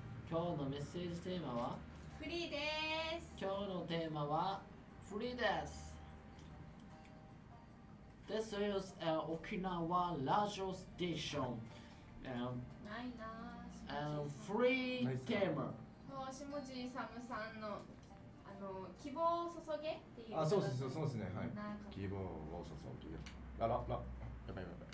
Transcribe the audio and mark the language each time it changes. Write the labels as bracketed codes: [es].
[ja] 今日のメッセージテーマはフリーです。今日のテーマはフリーです。 [en] This is an Okinawa radio station [ja] ないなぁ、フリーテーマ。しもじさむさんの希望を注げっていう。あ、そうですね、はい、希望を注げ。あら、やばいやばい。